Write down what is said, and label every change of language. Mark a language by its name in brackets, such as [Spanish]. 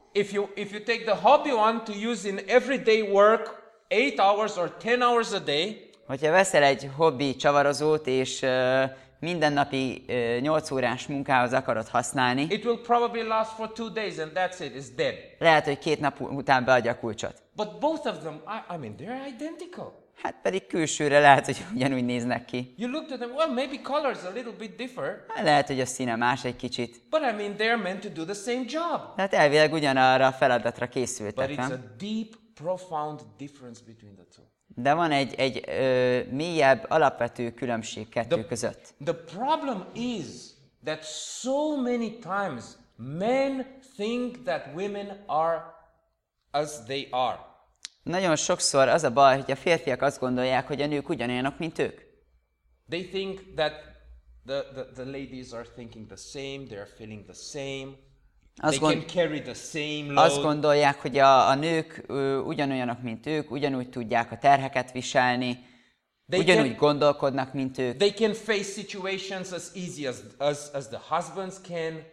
[English] If you take the hobby one to use in everyday work 8 hours or 10 hours a day. [Hungarian] Hogyha veszel egy hobby csavarozót és mindennapi 8 órás munkához akarod használni. [English] It will probably last for 2 days and that's it, it's dead. [Hungarian] Lehet, hogy két nap után beadja a kulcsot. [English] But both of them, I mean they're identical. [Hungarian] Hát pedig külsőre lehet, hogy ugyanúgy néznek ki. [English] You look to them, well, maybe colors a little bit differ. [Hungarian] Hát lehet, hogy a színe más egy kicsit. [English] But I mean, they're meant to do the same job. [Hungarian] Hát elvileg ugyanarra a feladatra készültek. [English] But it's a deep, profound difference between the two. [Hungarian] De van egy mélyebb, alapvető különbség kettő között. [English] The problem is that so many times men think that women are as they are. [Hungarian] Nagyon sokszor az a baj, hogy a férfiak azt gondolják, hogy a nők ugyanolyanok, mint ők. [English] They think that the ladies are thinking the same, they are feeling the same. They can carry the same load. [Hungarian] Azt gondolják, hogy a nők ugyanolyanok, mint ők, ugyanúgy tudják a terheket viselni. ugyanúgy gondolkodnak, mint ők. [English] They can face situations as easy as the husbands can.